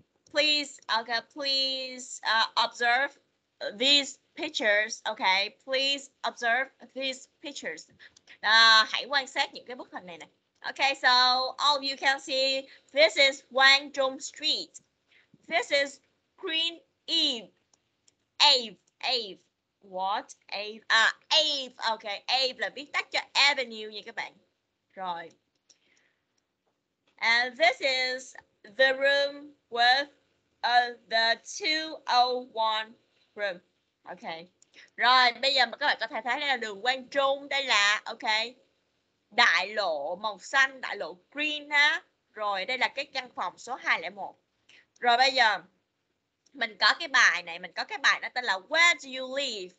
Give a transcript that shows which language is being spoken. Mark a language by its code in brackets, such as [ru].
[en] Please, okay, please observe these pictures, okay, please observe these pictures. [vi] Hãy quan sát những cái bức hình này này. [en] Okay, so all of you can see, this is Kwang Chung Street. This is Green Ave. What? Ave? Ave, okay. [vi] Ave là viết tắt cho Avenue nha các bạn. Rồi. [en] And this is the room with the 201 room. [vi] Ok. Rồi, bây giờ các bạn có thể thấy đây là đường Quang Trung, đây là, ok, đại lộ màu xanh, đại lộ green ha. Rồi đây là cái căn phòng số 201. Rồi bây giờ mình có cái bài này, mình có cái bài nó tên là [en] Where do you live?